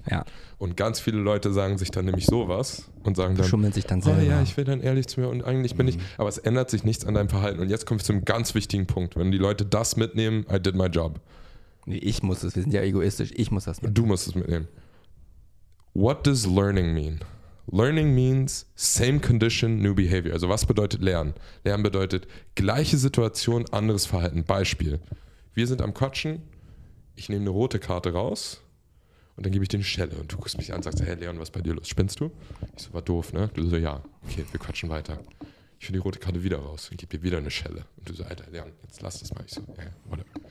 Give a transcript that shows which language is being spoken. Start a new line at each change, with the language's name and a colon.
German: Ja. Und ganz viele Leute sagen sich dann nämlich sowas und sagen dann, schummeln sich dann selber. Oh ja, ich will dann ehrlich zu mir und eigentlich bin ich, aber es ändert sich nichts an deinem Verhalten. Und jetzt komme ich zu einem ganz wichtigen Punkt. Wenn die Leute das mitnehmen,
English: I did my job.
German: Nee, ich muss es, wir sind ja egoistisch, ich muss das mitnehmen. Du musst es mitnehmen.
English: What does learning mean? Learning means same condition, new behavior.
German: Also was bedeutet lernen? Lernen bedeutet gleiche Situation, anderes Verhalten. Beispiel. Wir sind am Quatschen. Ich nehme eine rote Karte raus Und dann gebe ich den Schelle und du guckst mich an und sagst, hey Leon, was ist bei dir los? Spinnst du? Ich so, war doof, ne? Du so, ja. Okay, wir quatschen weiter. Ich finde die rote Karte wieder raus und gebe dir wieder eine Schelle. Und du so, Alter, Leon, jetzt lass das mal. Ich so, ja, warte.